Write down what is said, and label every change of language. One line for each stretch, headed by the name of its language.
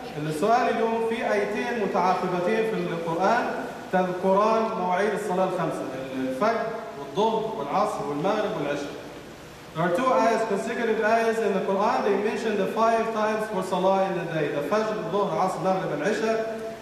Arabic: السؤال اليوم في ايتين متعاقبتين في القرآن تذكران مواعيد الصلاة الخمسة الفجر والظهر والعصر والمغرب والعشاء.
English: There are two ayahs, consecutive ayahs in the Quran, they mention the five times for Salah in the day. The Fajr, الظهر, العصر, المغرب, العشاء.